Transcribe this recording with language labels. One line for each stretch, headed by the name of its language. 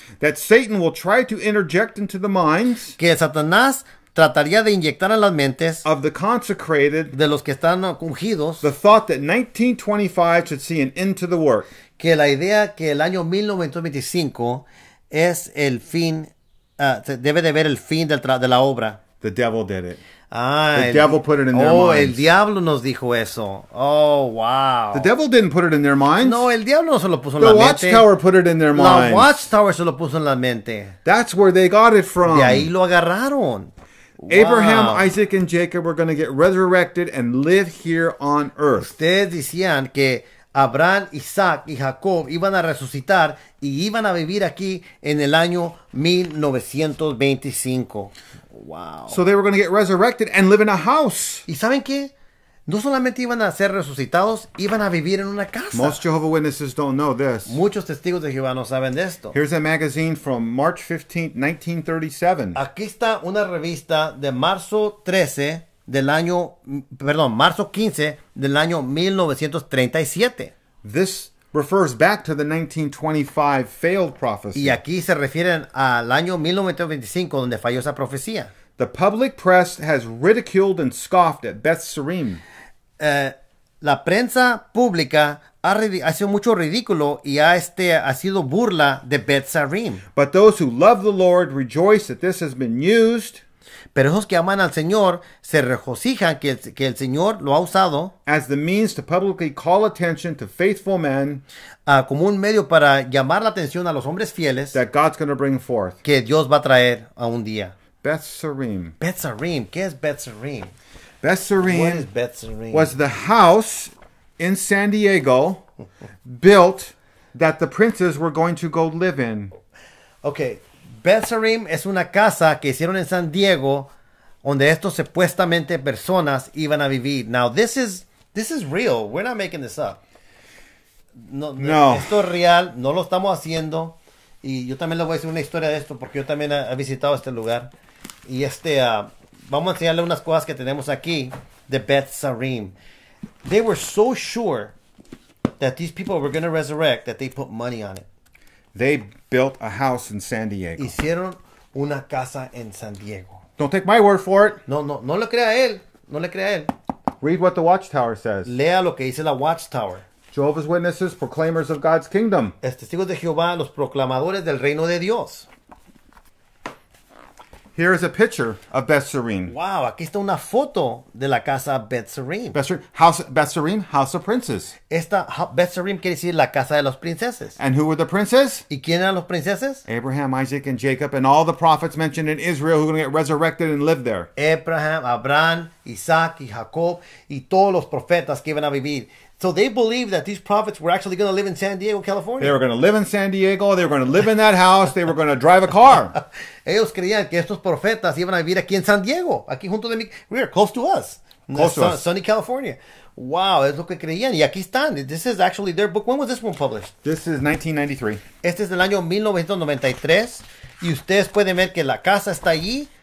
English: That Satan will try to interject into the minds.
Spanish: Que Satanás trataría de inyectar a las mentes
English: of the consecrated,
Spanish: de los que están ungidos,
English: the thought that 1925 should see an end to the work.
Spanish: Que la idea que el año 1925 es el fin, debe de ver el fin del de la obra.
English: The devil did it. Ah, the devil put it in their minds.
Spanish: Oh, el diablo nos dijo eso. Oh, wow.
English: The devil didn't put it in their minds.
Spanish: No, el diablo no se lo puso en la mente.
English: The Watchtower put it in their minds.
Spanish: La Watchtower se lo puso en la mente.
English: That's where they got it from.
Spanish: De ahí lo agarraron.
English: Wow. Abraham, Isaac, and Jacob were going to get resurrected and live here on earth.
Spanish: Ustedes decían que Abraham, Isaac, y Jacob iban a resucitar y iban a vivir aquí en el año 1925. Wow.
English: So they were going to get resurrected and live in a house.
Spanish: ¿Y saben qué? No solamente iban a ser resucitados, iban a vivir en una casa.
English: Most Jehovah's Witnesses don't know this.
Spanish: Muchos testigos de Jehová no saben de esto.
English: Here's a magazine from March 15, 1937.
Spanish: Aquí está una revista de marzo 13 del año, perdón, marzo 15 del año 1937.
English: This refers back to the 1925 failed prophecy.
Spanish: Y aquí se refieren al año 1925 donde falló esa profecía.
English: The public press has ridiculed and scoffed at Beth Sarim.
Spanish: La prensa pública ha sido mucho ridículo y ha sido burla de Beth Sarim.
English: But those who love the Lord rejoice that this has been used.
Spanish: Pero esos que aman al Señor se regocijan que el Señor lo ha usado.
English: As the means to publicly call attention to faithful men.
Spanish: Como un medio para llamar la atención a los hombres fieles.
English: That God's going to bring forth.
Spanish: Que Dios va a traer a un día. Beth Sarim. Beth Sarim. ¿Qué es Beth Sarim? Beth Sarim.
English: What is Beth Sarim? Was the house in San Diego built that the princes were going to go live in. Okay.
Spanish: Beth Sarim es una casa que hicieron en San Diego donde estos supuestamente personas iban a vivir.
English: Now, this is real. We're not making this up. No.
Spanish: Esto es real. No lo estamos haciendo. Y yo también les voy a decir una historia de esto porque yo también he visitado este lugar. Y vamos a enseñarle unas cosas que tenemos aquí de Beth Sarim.
English: They were so sure that these people were going to resurrect that they put money on it. They built a house in San Diego.
Spanish: Hicieron una casa en San Diego.
English: Don't take my word for it.
Spanish: No lo crea él. No le crea él.
English: Read what the Watchtower says.
Spanish: Lea lo que dice la Watchtower.
English: Jehovah's Witnesses, proclaimers of God's kingdom.
Spanish: Testigos de Jehová, los proclamadores del reino de Dios.
English: Here is a picture of Beth Sarim.
Spanish: Wow, aquí está una foto de la casa Beth Sarim.
English: Beth Sarim, House of Princes.
Spanish: Esta Beth Sarim quiere decir la casa de los princeses.
English: And who were the princes?
Spanish: ¿Y quién eran los princeses?
English: Abraham, Isaac, and Jacob, and all the prophets mentioned in Israel who were going to get resurrected and live there.
Spanish: Abraham, Abraham, Isaac, y Jacob, y todos los profetas que iban a vivir.
English: So they believed that these prophets were actually going to live in San Diego, California. They were going to live in San Diego. They were going to live in that house. They were going to drive a car.
Spanish: Ellos creían que estos profetas iban a vivir aquí en San Diego. Aquí junto de mí.
English: We are close to us. Close to us. Sunny California.
Spanish: Wow. Es lo que creían. Y aquí están.
English: This is actually their book. When was this one published? This is 1993.
Spanish: Este es del año 1993. Y ustedes pueden ver que la casa está allí.